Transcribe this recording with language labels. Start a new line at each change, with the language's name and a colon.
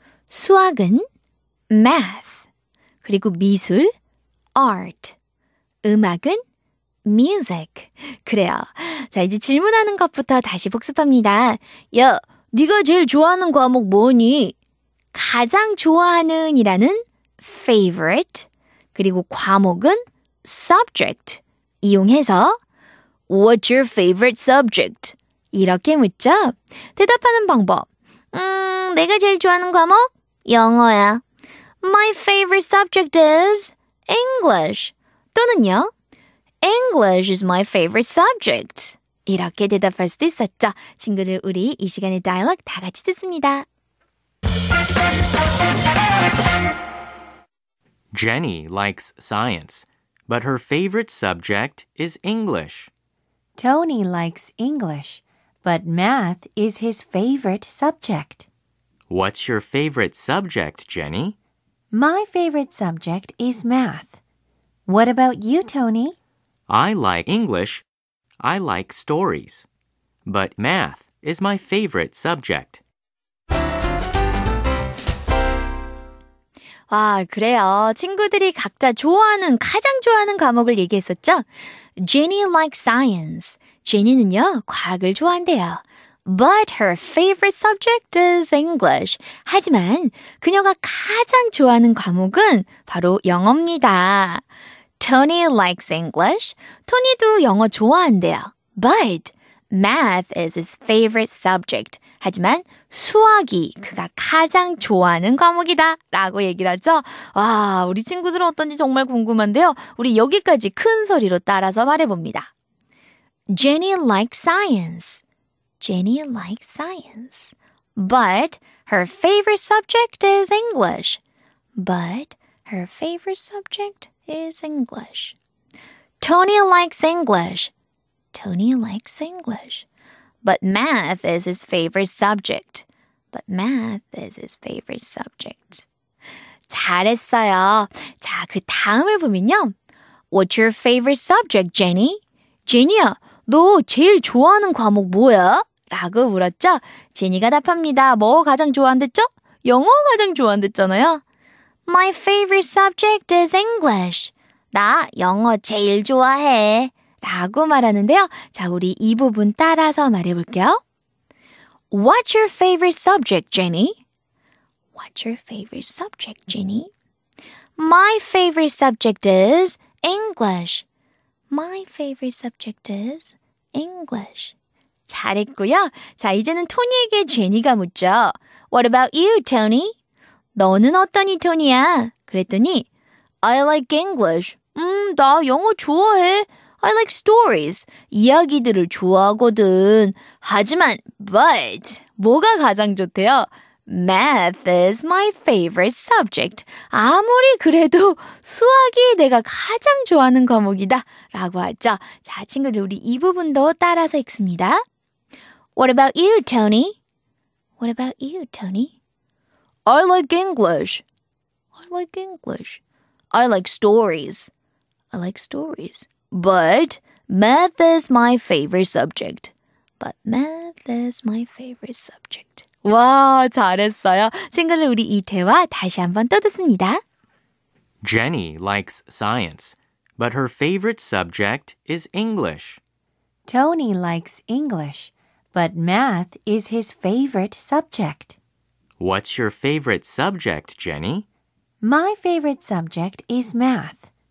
Korean: 수학은 Math, 그리고 미술 Art, 음악은 Music. 그래요. 자, 이제 질문하는 것부터 다시 복습합니다. 야, 네가 제일 좋아하는 과목 뭐니? 가장 좋아하는 이라는 favorite, 그리고 과목은 subject 이용해서
English: What's your favorite subject?
Korean: 이렇게 묻죠. 대답하는 방법. 내가 제일 좋아하는 과목? 영어야.
English: My favorite subject is English.
Korean: 또는요.
English: English is my favorite subject.
Korean: 이렇게 대답할 수도 있었죠. 친구들, 우리 이 시간의 dialog 다 같이 듣습니다.
English: Jenny likes science, but her favorite subject is English. Tony likes English, but math is his favorite subject. What's your favorite subject, Jenny? My favorite subject is math. What about you, Tony? I like English. I like stories. But math is my favorite subject.
Korean: 와, 그래요. 친구들이 각자 좋아하는, 가장 좋아하는 과목을 얘기했었죠?
English: Jenny likes science.
Korean: Jenny는요, 과학을 좋아한대요.
English: But her favorite subject is English.
Korean: 하지만 그녀가 가장 좋아하는 과목은 바로 영어입니다.
English: Tony likes English.
Korean: Tony도 영어 좋아한대요.
English: But math is his favorite subject.
Korean: 하지만 수학이 그가 가장 좋아하는 과목이다 라고 얘기를 하죠. 와, 우리 친구들은 어떤지 정말 궁금한데요. 우리 여기까지 큰 소리로 따라서 말해봅니다.
English: Jenny likes science. Jenny likes science. But her favorite subject is English. But her favorite subject is English. Tony likes English. Tony likes English. But math is his favorite subject. But math is his favorite subject.
Korean: 잘했어요. 자, 그 다음을 보면요.
English: What's your favorite subject, Jenny?
Korean: Jenny야, 너 제일 좋아하는 과목 뭐야? 라고 물었죠. 제니가 답합니다. 뭐 가장 좋아한댔죠? 영어 가장 좋아한댔잖아요.
English: My favorite subject is English.
Korean: 나 영어 제일 좋아해. 라고 말하는데요. 자, 우리 이 부분 따라서 말해볼게요.
English: What's your favorite subject, Jenny? What's your favorite subject, Jenny? My favorite subject is English. My favorite subject is English.
Korean: 잘했고요. 자, 이제는 토니에게 제니가 묻죠.
English: What about you, Tony?
Korean: 너는 어떠니, 토니야? 그랬더니
English: I like English.
Korean: 나 영어 좋아해.
English: I like stories.
Korean: 이야기들을 좋아하거든. 하지만, but, 뭐가 가장 좋대요?
English: Math is my favorite subject.
Korean: 아무리 그래도 수학이 내가 가장 좋아하는 과목이다. 라고 하죠. 자, 친구들, 우리 이 부분도 따라서 읽습니다.
English: What about you, Tony? What about you, Tony? I like English. I like English. I like stories. I like stories. But math is my favorite subject. But math is my favorite subject.
Korean: 와, 잘했어요. 친구들, 우리 이 대화 다시 한번 또 듣습니다.
English: Jenny likes science, but her favorite subject is English. Tony likes English. But math is his favorite subject. What's your favorite subject, Jenny? My favorite subject is math.